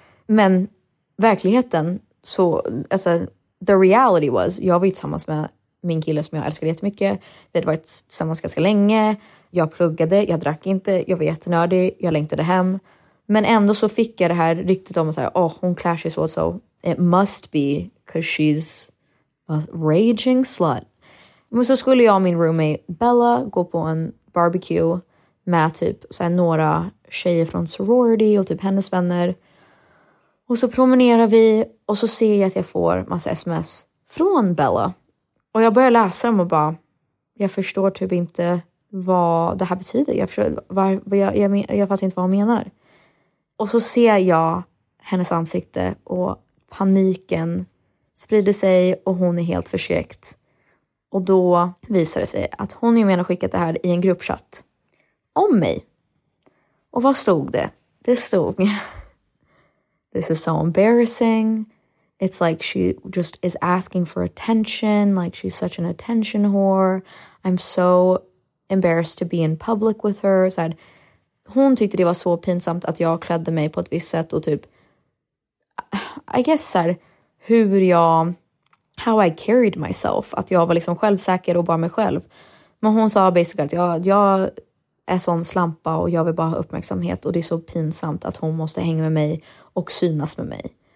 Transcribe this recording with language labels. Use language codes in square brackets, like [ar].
[sv] Men verkligheten, så alltså [en] the reality was, [sv] jag var ju tillsammans med min kille som jag älskade jättemycket. Vi hade varit tillsammans ganska länge. Jag pluggade, jag drack inte. Jag var jättenördig, jag längtade hem. Men ändå så fick jag det här ryktet om att så här, oh, hon klär sig så. [en] So it must be, because she's a raging slut. [sv] Men så skulle jag och min roommate Bella gå på en barbecue med typ så här några tjejer från sorority och typ hennes vänner. Och så promenerar vi och så ser jag att jag får massa sms från Bella. Och jag börjar läsa dem och bara, jag förstår typ inte vad det här betyder. Jag fattar inte vad hon menar. Och så ser jag hennes ansikte och paniken sprider sig och hon är helt förskräckt. Och då visar det sig att hon ju menar skickat det här i en gruppchatt om mig. Och vad stod det? Det stod, [en] this is so embarrassing. It's like she just is asking for attention, like she's such an attention whore. I'm so embarrassed to be in public with her. [sv] Så här, hon tyckte det var så pinsamt att jag klädde mig på ett visst sätt och typ, [en] I guess [sv] så här, [en] how I carried myself, [sv] att jag var liksom självsäker och bara mig själv. Men hon sa basically att jag är sån slampa och jag vill bara ha uppmärksamhet och det är så pinsamt att hon måste hänga med mig och synas med mig.